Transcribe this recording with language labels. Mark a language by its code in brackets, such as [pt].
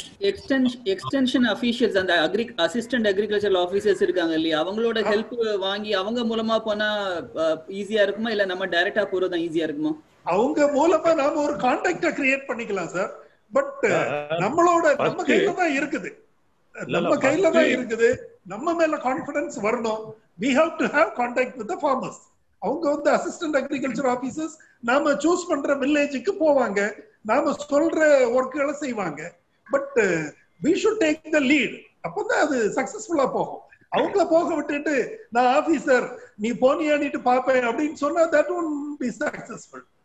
[ta] Extension officials அந்த assistant agriculture officers இருக்காங்க இல்லையா, அவங்களோட ஹெல்ப் வாங்கி அவங்க மூலமா போனா ஈஸியா இருக்குமா, இல்ல நம்ம டைரக்டா போறதா ஈஸியா இருக்குமா? அவங்க மூலமா நாம ஒரு கான்டாக்ட கிரியேட் பண்ணிக்கலாம் சார், பட் நம்ம கையில தான் இருக்குது, நம்ம மேல கான்ஃபிடன்ஸ் வரணும். [en] We have to have contact with the farmers. [ta] அவங்க வந்து அசிஸ்டன்ட் அக்ரிகல்ச்சர் ஆபீசர்ஸ், நாம சூஸ் பண்ற வில்லேஜுக்கு போவாங்க, நாம சொல்ற ஒர்க்குகளை செய்வாங்க. [en] but we should take the lead, [ta] அப்பதான் அது சக்சஸ்ஃபுல்லா போகும். அவங்கள போக விட்டுட்டு நான் ஆபீசர் நீ போனி அணிட்டு பாப்பேன் அப்படின்னு சொன்னா சக்சஸ்ஃபுல்.